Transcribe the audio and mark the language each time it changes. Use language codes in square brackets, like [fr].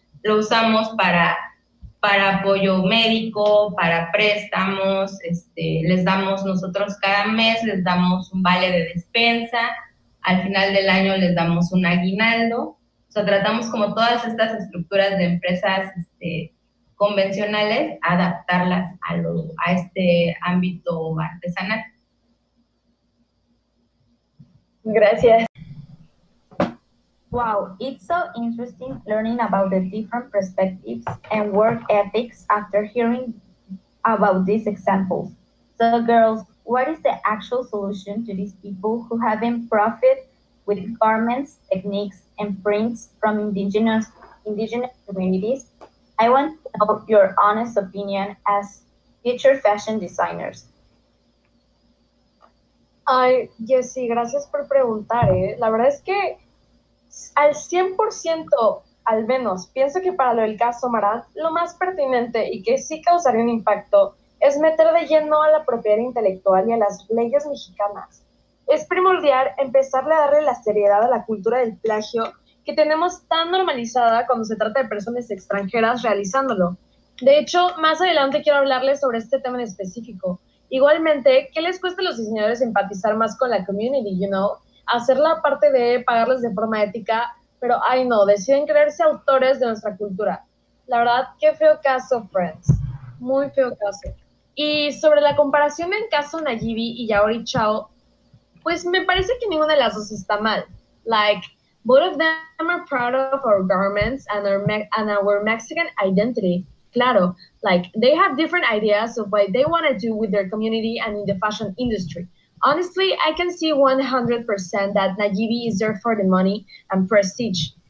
[es] Lo usamos para apoyo médico, para préstamos, les damos nosotros cada mes, les damos un vale de despensa, al final del año les damos un aguinaldo. O sea, tratamos como todas estas estructuras de empresas convencionales, adaptarlas a este ámbito artesanal. Gracias. [en] Wow, it's so interesting learning about the different perspectives and work ethics after hearing about these examples. So, girls, what is the actual solution to these people who haven't profited with garments, techniques, and prints from indigenous communities? I want to know your honest opinion as future fashion designers. [es] Ay, Jessy, gracias por preguntar, ¿eh? La verdad es que al 100%, al menos, pienso que para lo del caso Marat, lo más pertinente y que sí causaría un impacto es meter de lleno a la propiedad intelectual y a las leyes mexicanas. Es primordial empezarle a darle la seriedad a la cultura del plagio que tenemos tan normalizada cuando se trata de personas extranjeras realizándolo. De hecho, más adelante quiero hablarles sobre este tema en específico. Igualmente, ¿qué les cuesta a los diseñadores empatizar más con la [en] community, you know? [es] Hacer la parte de pagarles de forma ética, pero ay no, deciden creerse autores de nuestra cultura. La verdad, qué feo caso, friends. Muy feo caso. Y sobre la comparación en caso Nayibi y Yaori Chao, pues me parece que ninguna de las dos está mal. [en] Both of them are proud of our garments and our Mexican identity. Claro, they have different ideas of what they want to do with their community and in the fashion industry. Honestly, I can see 100% that Nayibi is there for the money and prestige.